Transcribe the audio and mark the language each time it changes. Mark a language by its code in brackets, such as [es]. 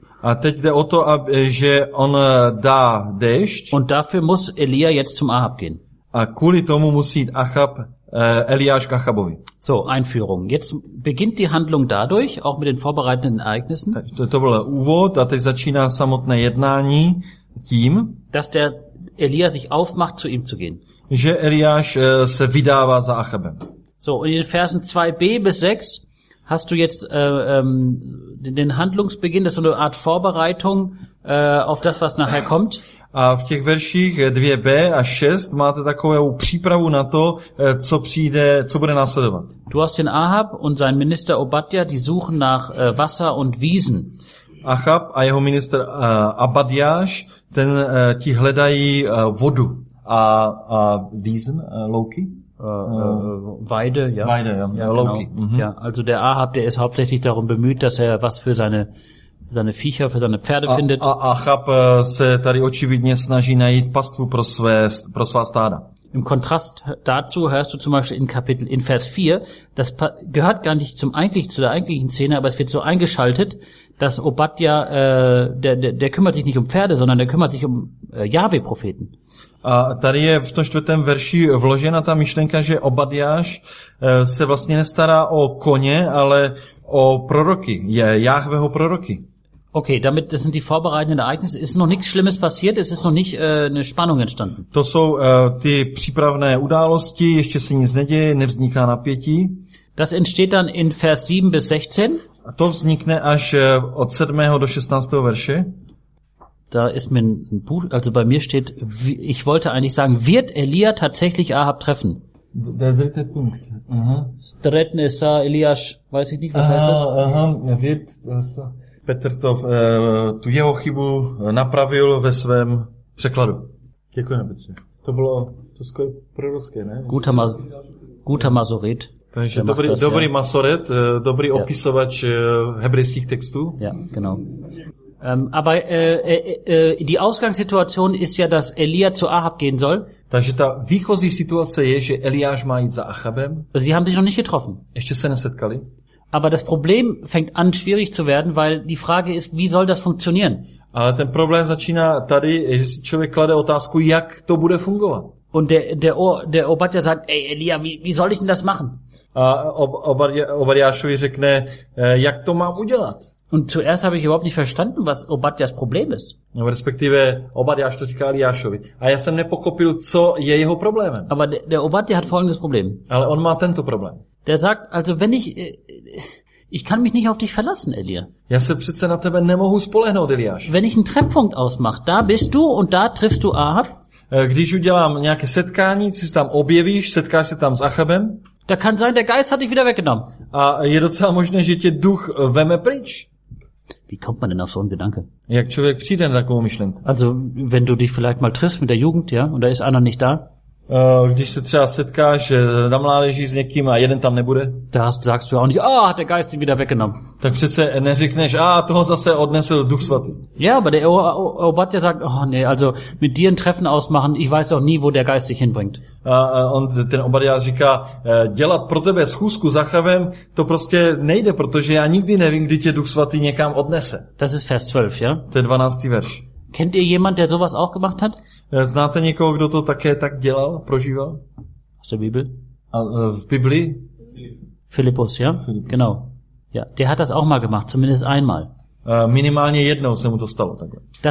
[cs] A teď jde o to, že on dá déšť. [de] Und dafür muss Elia jetzt zum Ahab gehen. [cs] A kvůli tomu musí jít Eliáš k Achabovi. [de] So, Einführung. Jetzt beginnt die Handlung dadurch, auch mit den vorbereitenden Ereignissen. [cs] To byl úvod a teď začíná samotné jednání tím, [de] dass der Elia sich aufmacht, zu ihm zu gehen. [cs] Že Eliáš se vydává za Achabem. [de] So, in den Versen 2b bis 6 hast du jetzt den Handlungsbeginn, das ist eine Art Vorbereitung auf das, was nachher kommt. [cs] A v těch verších 2b a 6 máte takovou přípravu na to, co přijde, co bude následovat. [de] Du hast den Ahab und sein Minister Obadja, die suchen nach Wasser und Wiesen. [cs] Ahab a jeho minister Abadjáš, ten ti hledají vodu a Wiesen, louky. [de] Weide, ja. Weide, ja. Ja, [cs] louky. [de] Genau. Mhm. Ja, also der Ahab, der ist hauptsächlich darum bemüht, dass er was für seine Viecher, für seine Pferde findet. [cs] Achab se tady očividně snaží najít pastvu pro svá stáda. [de] Im Kontrast dazu hörst du zum Beispiel in Kapitel, in Vers 4, das gehört gar nicht zu der eigentlichen Szene, aber es wird so eingeschaltet, dass Obadja, der kümmert sich nicht um Pferde, sondern der kümmert sich um Jahwe-Propheten. [cs] A tady je v tom čtvrtém verši vložena ta myšlenka, že Obadjáš se vlastně nestará o koně, ale o proroky, je Jahveho proroky. [de] Okay, damit das sind die vorbereitenden Ereignisse. Ist noch nichts Schlimmes passiert, es ist noch nicht eine Spannung entstanden. [cs] To jsou ty přípravné události, ještě se nic neděje, nevzniká napětí. [de] Das entsteht dann in Vers 7 bis 16. [cs] A to vznikne až od 7. do 16. verše. [de] Da ist mir ein Buch, also bei mir steht, ich wollte eigentlich sagen, wird Elia tatsächlich Ahab treffen? Der dritte Punkt. Treten ist Elias, weiß ich nicht, was heißt das? [cs] Wird Petr to tu jeho chybu napravil ve svém překladu. Děkujeme, Petře. To bylo to prorocké, ne? [de] Guter Masoret. [cs] Takže dobrý ja. Masoret, dobrý ja. Opisovač hebrejských textů. [de] Ja, genau. Aber die Ausgangssituation ist ja, dass Elia zu Ahab gehen soll. [cs] Takže ta výchozí situace je, že Eliáš má jít za Achabem. [de] Sie haben sich noch nicht getroffen. [cs] Ještě se nesetkali. [de] Aber das Problem fängt an schwierig zu werden, weil die Frage ist, wie soll das funktionieren? [cs] Ale ten problém začíná tady, že si člověk klade otázku, jak to bude fungovat. [de] Und der Obadja sagt, ey Elia, wie soll ich denn das machen? [cs] A Obadjášovi řekne, jak to mám udělat? [de] Und zuerst habe ich überhaupt nicht verstanden, was Obadjas Problem ist. [cs] No, respektive Obadjáš to říká Eliášovi. A já jsem nepochopil, co je jeho problémem. [de] Aber der Obadja hat folgendes Problem. [cs] Ale on má tento problém. [de] Der sagt, also wenn ich kann mich nicht auf dich verlassen, Elia. [cs] Já se přece na tebe nemohu spolehnout, Eliáš. [de] Wenn ich einen Treffpunkt ausmache, da bist du und da triffst du Ahab. [cs] Když udělám nějaké setkání, ty se tam objevíš, setkáš se tam s Achabem. [de] Da kann sein, der Geist hat dich wieder weggenommen. [cs] A je docela možné, že tě duch veme pryč. [de] Wie kommt man denn auf so einen Gedanke? [cs] Jak člověk přijde na takovou myšlenku? [de] Also, wenn du dich vielleicht mal triffst mit der Jugend, ja, und da ist einer nicht da. [cs] Když se třeba setkáš na mládeži s někým a jeden tam nebude? [de] Der Geist ihn wieder weggenommen. [cs] Tak přece neřekneš, toho zase odnesl Duch Svatý. [de] Ja, aber der Obadja sagt, also mit dir ein Treffen ausmachen, ich weiß auch nie, wo der Geist dich hinbringt. [cs] Und ten Obadja říká, dělat pro tebe schůzku s Achavem, to prostě nejde, protože já nikdy nevím, kdy tě Duch Svatý někam odnese. [de] Das ist Vers 12, ja? [cs] To je 12. verš. [de] Kennt ihr jemand, der sowas auch gemacht hat? [cs] Znáte někoho, kdo to také tak dělal, prožíval? [de] Hast du Bibel? [cs] V Biblii? [de] Philippus, ja? Philippus. Genau. Ja, der hat das auch mal gemacht, zumindest einmal. [cs] Minimálně jednou se mu to stalo takhle.